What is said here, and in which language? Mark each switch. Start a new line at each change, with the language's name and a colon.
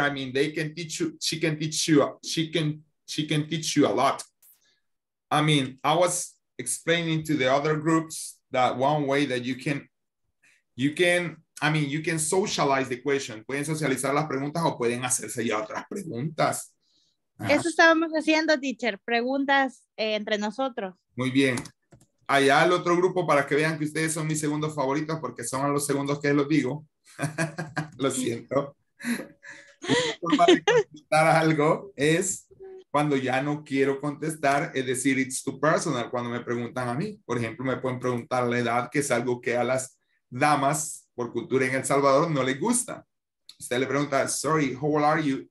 English: I mean, she can teach you a lot. I mean, I was explaining to the other groups that one way that you can socialize the question.
Spanish: Pueden socializar las preguntas o pueden hacerse ya otras preguntas. Eso estábamos haciendo, teacher. Preguntas entre nosotros. Muy bien. Allá el otro grupo, para que vean que ustedes son mis segundos favoritos, porque son los segundos que les digo. Lo siento. Una forma de contestar algo es cuando ya no quiero contestar, es decir, it's too personal, cuando me preguntan a mí. Por ejemplo, me pueden preguntar la edad, que es algo que a las damas por cultura en El Salvador no le gusta.
English: Usted le pregunta, sorry, how old are you?